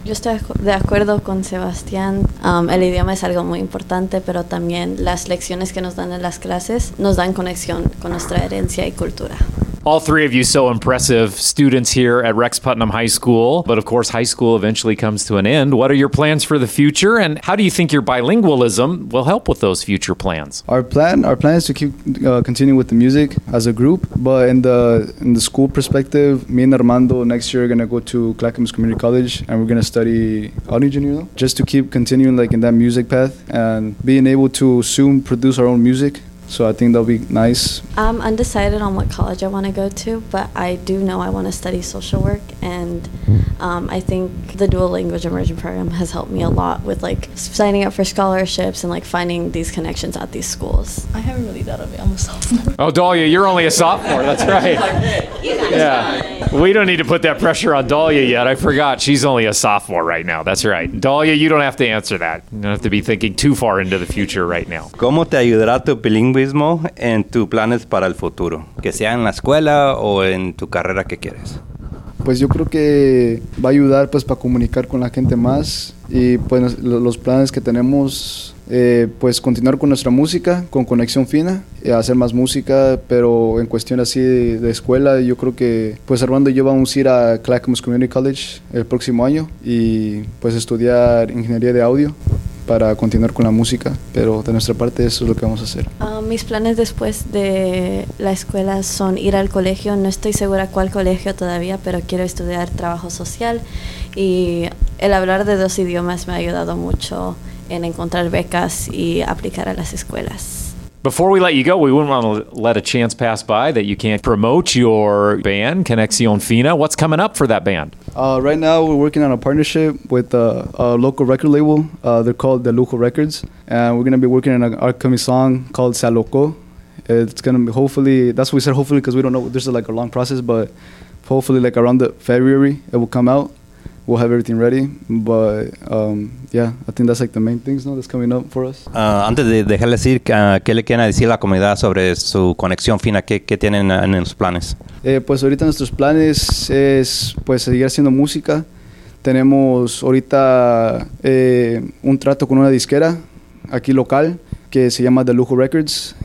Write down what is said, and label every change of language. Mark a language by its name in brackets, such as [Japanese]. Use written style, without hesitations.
[Spanish] Yo estoy de acuerdo con Sebastián. El idioma es algo muy importante, pero también las lecciones que nos dan en las clases nos dan conexión con nuestra herencia y cultura. [English] All three of you, so impressive students here at Rex Putnam High School. But of course, high school eventually comes to an end. What are your plans for the future? And how do you think your bilingualism will help with those future plans? Our plan is to keep continue with the music as a group. But in the school perspective, me and Armando next year are going to go to Clackamas Community College. And we're going to study audio engineering. Just to keep continuing like in that music path and being able to soon produce our own music. So I think that'll be nice. I'm undecided on what college I want to go to, but I do know I want to study social work. And I think the dual language immersion program has helped me a lot with like signing up for scholarships and like finding these connections at these schools. I haven't really thought of it. I'm a sophomore. Oh, Dahlia, you're only a sophomore. That's right. Yeah. We don't need to put that pressure on Dahlia yet. I forgot. She's only a sophomore right now. That's right. Dahlia, you don't have to answer that. You don't have to be thinking too far into the future right now. [Spanish] ¿Cómo te ayudará tu bilingüismo en tus planes para el futuro? Que sea en la escuela o en tu carrera que quieres. Pues yo creo que va a ayudar pues para comunicar con la gente más. Y pues los planes que tenemos, pues continuar con nuestra música, con Conexión Fina, hacer más música, pero en cuestión así de escuela, yo creo que pues Armando y yo vamos a ir a Clackamas Community College el próximo año y pues estudiar ingeniería de audio para continuar con la música, pero de nuestra parte eso es lo que vamos a hacer. Mis planes después de la escuela son ir al colegio, no estoy segura cuál colegio todavía, pero quiero estudiar trabajo social y el hablar de dos idiomas me ha ayudado mucho en encontrar becas y aplicar a las escuelas. [English] Before we let you go, we wouldn't want to let a chance pass by that you can't promote your band, Conexión Fina. What's coming up for that band? Right now, we're working on a partnership with a local record label. They're called De Lujo Records. And we're going to be working on an upcoming song called Se Loco. It's going to be hopefully, because we don't know, this is like a long process, but hopefully like around the February, it will come out. We'll have everything ready, but yeah, I think that's like the main things now that's coming up for us. [Spanish] Antes de dejarle decir, ¿qué le quieren decir a la comunidad sobre su Conexión Fina? ¿Qué tienen en los planes? Pues ahorita nuestros planes es pues seguir haciendo música. Tenemos ahorita un trato con una disquera aquí local que se llama De Lujo Records.